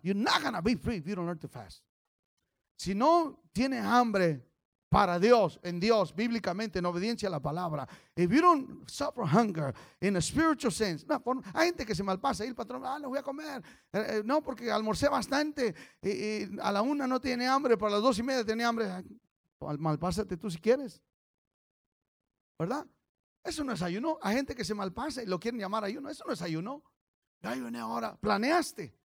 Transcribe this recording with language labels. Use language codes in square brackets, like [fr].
[en] You're not going to be free if you don't learn to fast. [es] Si no tiene hambre para Dios, en Dios, bíblicamente, en obediencia a la palabra. [en] If you don't suffer hunger in a spiritual sense. [es] Hay gente que se malpasa y el patrón, no voy a comer. No, porque almorcé bastante y a la una no tiene hambre, pero a las 2:30 tiene hambre. Malpásate tú si quieres. ¿Verdad? Eso no es ayuno. Hay gente que se malpasa y lo quieren llamar ayuno. Eso no es ayuno. Yo ayuné ahora. Planeaste.